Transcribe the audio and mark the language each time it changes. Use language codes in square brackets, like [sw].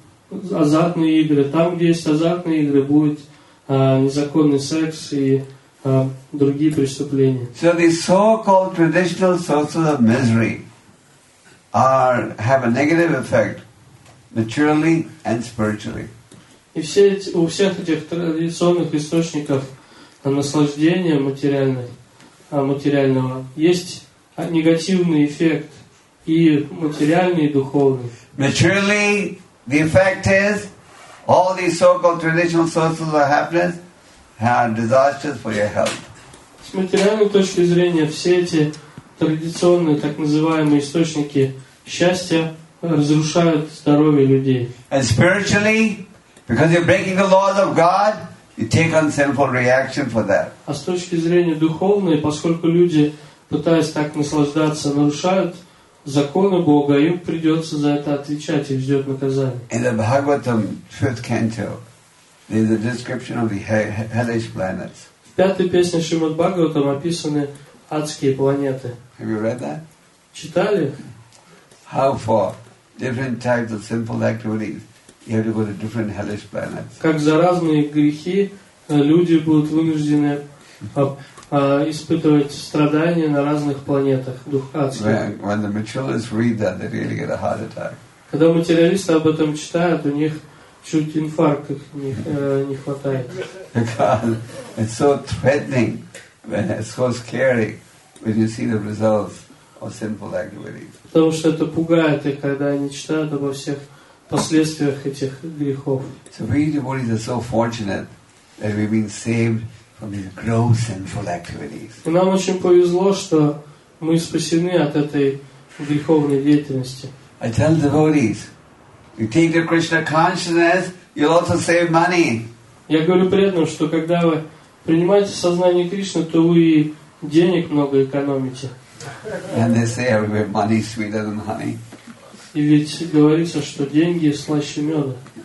[ru] Азартные игры. Там, где есть азартные игры, будет незаконный секс и другие преступления. [en] So the so-called traditional sources of misery have a negative effect materially and spiritually. [ru] И все эти, у всех этих традиционных источников наслаждения материального есть негативный эффект и материальный, и духовный. [en] Materially, the effect is all these so-called traditional sources of happiness are disastrous for your health. [ru] С материальной точки зрения, все эти традиционные, так называемые, источники счастья разрушают здоровье людей. [en] And spiritually, because you're breaking the laws of God, you take on sinful reaction for that. [ru] А с точки зрения духовной, поскольку люди, пытаясь так наслаждаться, нарушают законы Бога, им придется за это отвечать, их ждет наказание. [en] In the Bhagavatam, 5th canto, there's a description of the hellish planets. [ru] В 5-й песне Шримад Бхагаватам описаны адские планеты. [en] Have you read that? [ru] Читали? [en] How for different types of sinful activities you have to go to different hellish planets. [ru] Как за разные грехи люди будут вынуждены испытывать страдания на разных планетах духовных. [en] When the materialists read that, they really get a heart attack. [ru] Когда материалисты об этом читают, у них чуть инфаркт их не хватает. [en] It's so threatening, it's so scary when you see the results of sinful activities. [ru] Потому что это пугает их, когда они читают обо всех последствиях этих грехов. [en] So we devotees are so fortunate that we've been saved from these gross sinful activities. [ru] И нам очень повезло, что мы спасены от этой греховной деятельности. [en] I tell devotees, you take the Krishna consciousness, you'll also save money. [ru] Я говорю преданным, что когда вы принимаете сознание Кришны, то вы и денег много экономите. [en] And they say everywhere money is sweeter than honey. [ru] И ведь говорится, что деньги слаще меда.